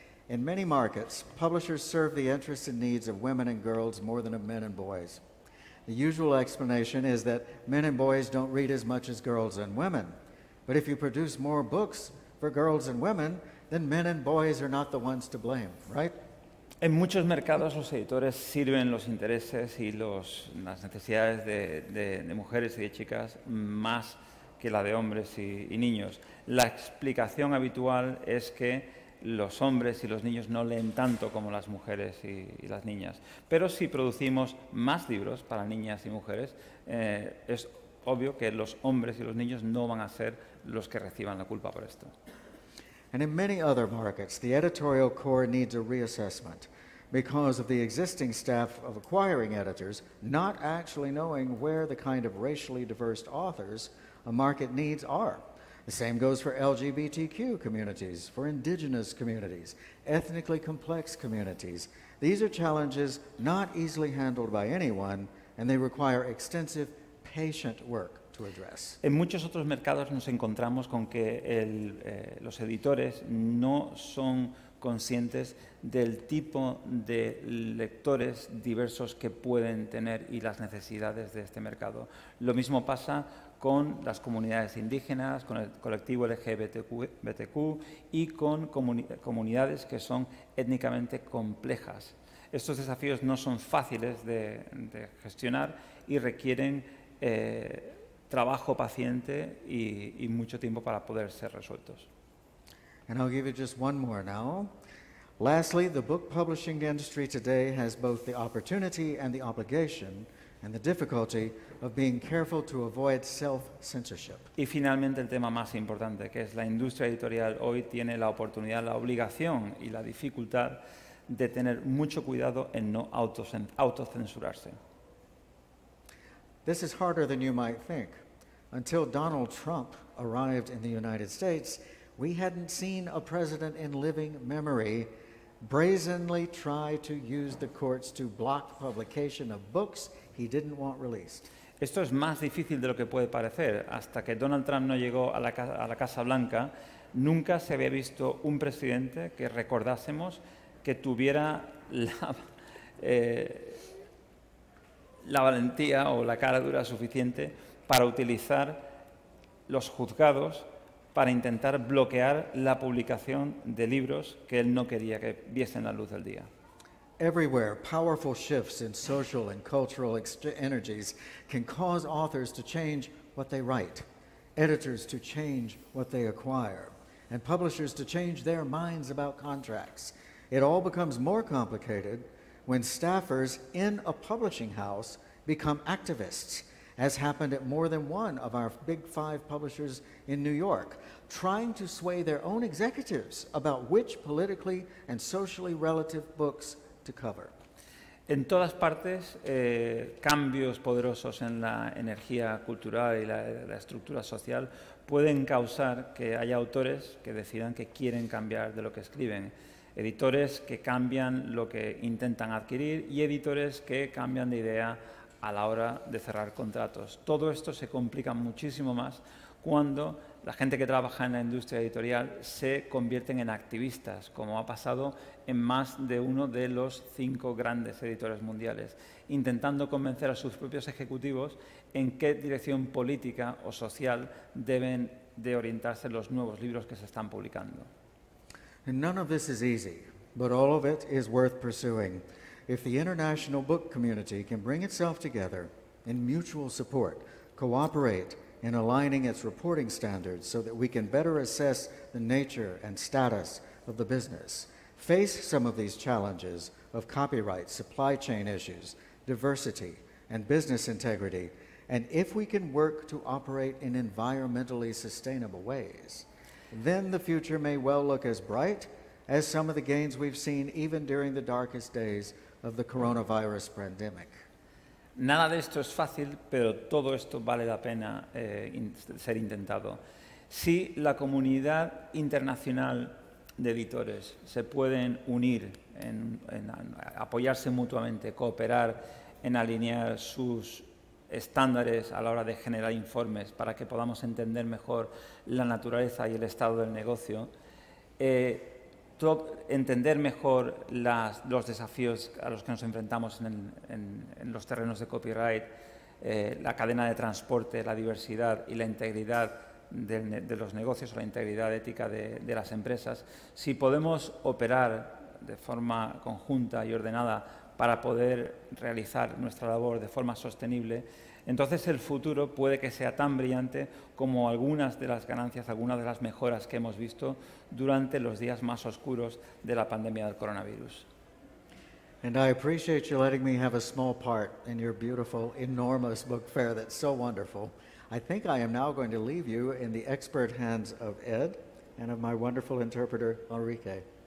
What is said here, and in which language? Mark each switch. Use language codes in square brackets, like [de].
[en] In many markets, publishers serve the interests and needs of women and girls more than of men and boys. The usual explanation is that men and boys don't read as much as girls and women. But if you produce more books for girls and women, then men and boys are not the ones to blame, right? [es] En muchos mercados, los editores sirven los intereses y las necesidades de mujeres y de chicas más que la de hombres y niños. La explicación habitual es que los hombres y los niños no leen tanto como las mujeres y las niñas. Pero si producimos más libros para niñas y mujeres, es obvio que los hombres y los niños no van a ser los que reciban la culpa por esto. [en] And in many other markets, the editorial core needs a reassessment because of the existing staff of acquiring editors not actually knowing where the kind of racially diverse authors a market needs are. The same goes for LGBTQ communities, for indigenous communities, ethnically complex communities. These are challenges not easily handled by anyone, and they require extensive patient work to address. [es] En muchos otros mercados nos encontramos con que los editores no son conscientes del tipo de lectores diversos que pueden tener y las necesidades de este mercado. Lo mismo pasa con las comunidades indígenas, con el colectivo LGBTQ y con comunidades que son étnicamente complejas. Estos desafíos no son fáciles de gestionar y requieren trabajo paciente y mucho tiempo para poder ser resueltos. [en] And I'll give you just one more now. Lastly, the book publishing industry today has both the opportunity and the obligation and the difficulty of being careful to avoid self-censorship. [es] Y finalmente el tema más importante, que es la industria editorial hoy tiene la oportunidad, la obligación y la dificultad de tener mucho cuidado en no autocensurarse. [en] This is harder than you might think. Until Donald Trump arrived in the United States, we hadn't seen a president in living memory brazenly try to use the courts to block publication of books he didn't want released. [es] Esto es más difícil de lo que puede parecer. Hasta que Donald Trump no llegó a la Casa Blanca, nunca se había visto un presidente que recordásemos que tuviera la valentía o la cara dura suficiente para utilizar los juzgados para intentar bloquear la publicación de libros que él no quería que viesen la luz del día. [en] Everywhere, powerful shifts in social and cultural energies can cause authors to change what they write, editors to change what they acquire, and publishers to change their minds about contracts. It all becomes more complicated when staffers in a publishing house become activists, as happened at more than one of our big five publishers in New York, trying to sway their own executives about which politically and socially relative books to cover. [es] En todas partes, cambios poderosos en la energía cultural y la estructura social pueden causar que haya autores que decidan que quieren cambiar de lo que escriben. Editores que cambian lo que intentan adquirir y editores que cambian de idea a la hora de cerrar contratos. Todo esto se complica muchísimo más cuando la gente que trabaja en la industria editorial se convierten en activistas, como ha pasado en más de uno de los cinco grandes editores mundiales, intentando convencer a sus propios ejecutivos en qué dirección política o social deben de orientarse los nuevos libros que se están publicando. [en] And none of this is easy, but all of it is worth pursuing. If the international book community can bring itself together in mutual support, cooperate in aligning its reporting standards so that we can better assess the nature and status of the business, face some of these challenges of copyright, supply chain issues, diversity, and business integrity, and if we can work to operate in environmentally sustainable ways, then the future may well look as bright as some of the gains we've seen even during the darkest days of the coronavirus pandemic. [es] Nada de esto es fácil, pero todo esto vale la pena ser intentado. Si la comunidad internacional de editores se pueden unir, en apoyarse mutuamente, cooperar en alinear sus estándares a la hora de generar informes para que podamos entender mejor la naturaleza y el estado del negocio, entender mejor los desafíos a los que nos enfrentamos en los terrenos de copyright, la cadena de transporte, la diversidad y la integridad de los negocios o la integridad ética de las empresas. Si podemos operar de forma conjunta y ordenada para poder realizar nuestra labor de forma sostenible, entonces el futuro puede que sea tan brillante como algunas de las ganancias, algunas de las mejoras que hemos visto durante los días más oscuros de la pandemia del coronavirus. [en] And I appreciate you letting me have a small part in your beautiful, enormous book fair that's so wonderful. I think I am now going to leave you in the expert hands of Ed and of my wonderful interpreter, Enrique.